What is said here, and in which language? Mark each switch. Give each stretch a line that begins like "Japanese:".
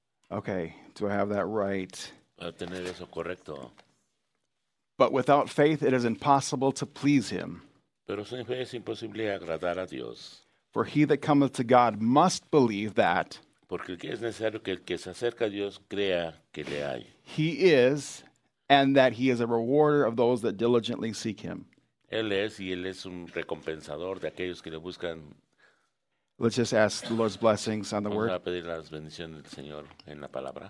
English: Okay, do I have that right?
Spanish: Tener eso correcto.
English: But without faith, it is impossible to please him.
Spanish: Pero sin fe es imposible agradar a Dios.
English: For he that cometh to God must believe that.
Spanish: Porque es necesario que el que se acerca a Dios crea que le hay.
English: He is, and that he is a rewarder of those that diligently seek him.
Spanish: Él es, y él es un recompensador de aquellos que le buscan.
English: Let's just ask the Lord's blessings on the
Spanish: Vamos
English: word.
Spanish: A pedir las bendiciones del Señor en la palabra.